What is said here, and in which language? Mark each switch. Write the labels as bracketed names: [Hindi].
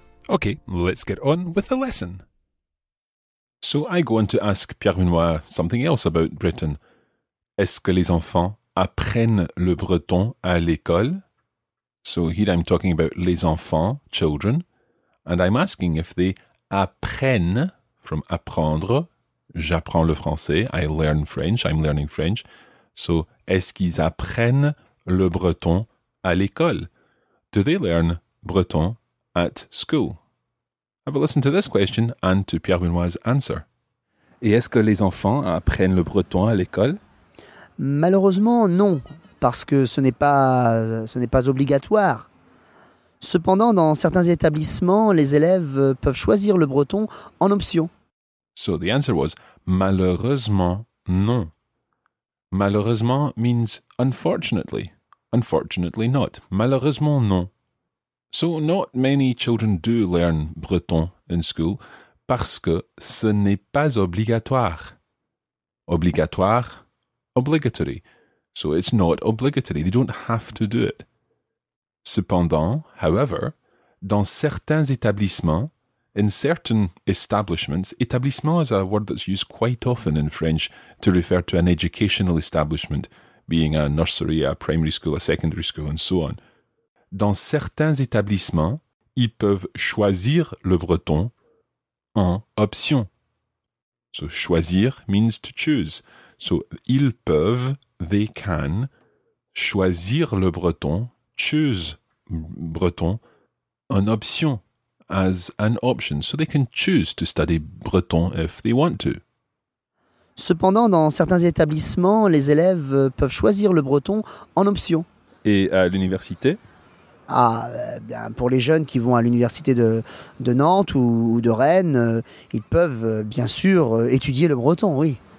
[English] Okay, let's get on with the lesson. So I go on to ask Pierre-Benoît something else about Britain. [French] Est-ce que les enfants apprennent le breton à l'école? [English] So here I'm talking about [French] les enfants, [English] children, and I'm asking if they [French] apprennent, [English] from [French] apprendre, j'apprends le français, [English] I learn French, I'm learning French. So [French] est-ce qu'ils apprennent le breton à l'école? [English] Do they learn breton at school? Have a listen to this question and to Pierre Benoît's answer. [French] Et est-ce que les enfants apprennent le breton à l'école? Malheureusement, non, parce que ce n'est pas obligatoire. Cependant, dans certains établissements, les élèves peuvent choisir le breton en option. [English] So the answer was, [French] malheureusement, non. Malheureusement [English] means unfortunately. Unfortunately not. [French] Malheureusement, non. [English] So not many children do learn breton in school [French] parce que ce n'est pas obligatoire. Obligatoire, [English] obligatory. So it's not obligatory. They don't have to do it. [French] Cependant, [English] however, [French] dans certains établissements, [English] in certain establishments, établissement is a word that's used quite often in French to refer to an educational establishment, being a nursery, a primary school, a secondary school, and so on. [French] Dans certains établissements, ils peuvent choisir le breton en option. [English] So choisir means to choose. So [French] ils peuvent, [English] they can, [French] choisir le breton, [English] choose breton [French] en option, [English] as an option. So they can choose to study breton if they want to. [French] Cependant, dans certains établissements, les élèves peuvent choisir le breton en option. Et à l'université? Ah, bien, pour les jeunes qui vont à l'université de Nantes ou de Rennes, ils peuvent bien sûr étudier le breton, oui.